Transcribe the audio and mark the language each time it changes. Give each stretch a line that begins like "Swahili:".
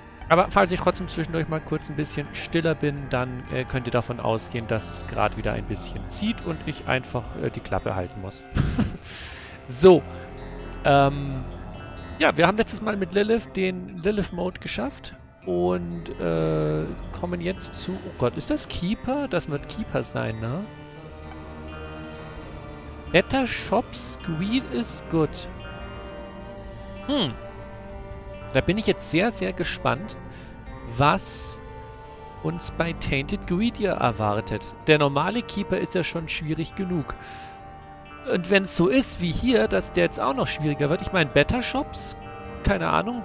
German: Aber falls ich trotzdem zwischendurch mal kurz ein bisschen stiller bin, dann könnt ihr davon ausgehen, dass es gerade wieder ein bisschen zieht und ich einfach die Klappe halten muss. So. Ja, wir haben letztes Mal mit Lilith den Lilith-Mode geschafft und kommen jetzt zu. Oh Gott, ist das Keeper? Das wird Keeper sein, ne?
English: Better Shops, Greed is good.
German: Da bin ich jetzt sehr, sehr gespannt, was uns bei Tainted Greed ja erwartet. Der normale Keeper ist ja schon schwierig genug. Und wenn es so ist wie hier, dass der jetzt auch noch schwieriger wird. Ich meine, Better Shops? Keine Ahnung.